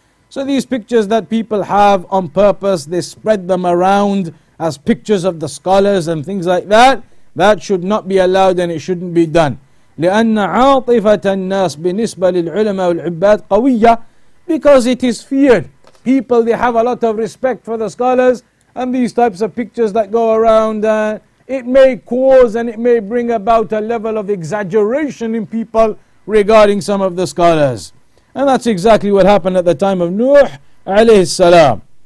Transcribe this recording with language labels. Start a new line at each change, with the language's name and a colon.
English: So these pictures that people have on purpose, they spread them around as pictures of the scholars and things like that, that should not be allowed and it shouldn't be done.
Arabic: لأن عاطفة الناس بالنسبة للعلماء والعباد قوية.
English: Because it is feared. People, they have a lot of respect for the scholars and these types of pictures that go around. It may cause and it may bring about a level of exaggeration in people regarding some of the scholars. And that's exactly what happened at the time of Nuh alayhi salam.